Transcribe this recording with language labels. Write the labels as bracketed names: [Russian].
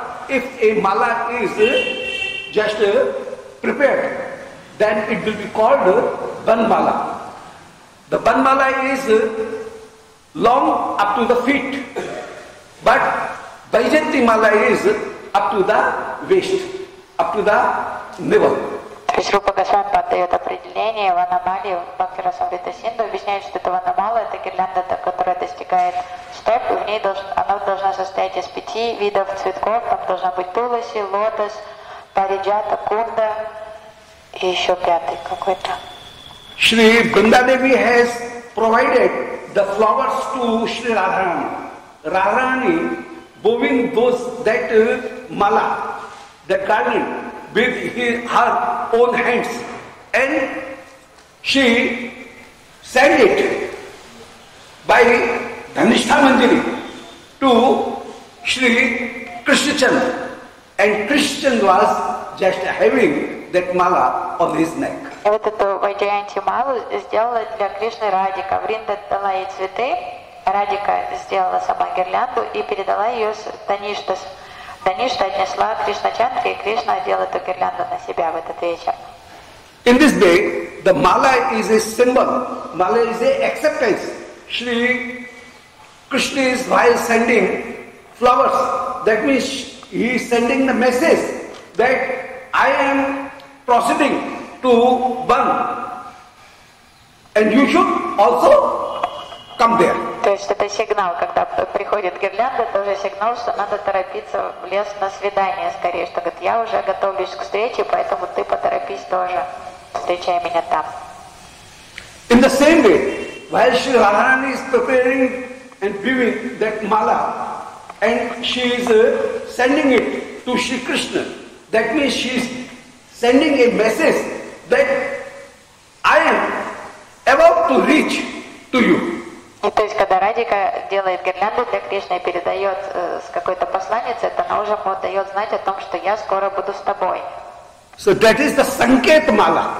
[English] If a mala is just prepared, then it will be called Banmala. The Banmala is long up to the feet, but Vaijayanti mala is up to the waist, up to the navel. [Russian] То есть Рупа Госвами подает определение ванамали в Бхактира Самрита Синду, объясняет, что это ванамала, это гирлянда, которая достигает стоп, и в ней она должна состоять из пяти видов цветков, там должна быть туласи, лотос, париджата, кунда и еще пятый какой-то. [English] Шри Бриндадеви has provided the flowers to Шри Радхарани. Радхарани woven that mala, the garland, with her own hands, and she sent it by Dhanishtha Manjari to Shri Krishnachand, and Krishnachand was just having that mala on his neck. [Russian] Вот эту Vaijayanti malu сделала для Кришны Радика. Вринда дала ей цветы, Радика сделала сама гирлянду и передала ее Dhanishtha Даништа отнесла Кришначандре, и Кришна одела эту гирлянду на себя в этот вечер. [English] In this day, the mala is a symbol. Mala is a acceptance. Shri Krishna is while sending flowers. That means he is sending the message that I am proceeding to Van. And you should also come there. [Russian] То есть это сигнал, когда приходит гирлянда, это уже сигнал, что надо торопиться в лес на свидание скорее. Что говорит, я уже готовлюсь к встрече, поэтому ты поторопись тоже. Встречай меня там. [English] In the same way, while Shri Radharani is preparing and weaving that mala, and she is sending it to Shri Krishna, that means she is sending a message that I am about to reach to you. [Russian] И то есть, когда Радика делает гирлянду для Кришны и передает с какой-то посланницей, то она уже дает знать о том, что я скоро буду с тобой. [English] So that is the sanket mala.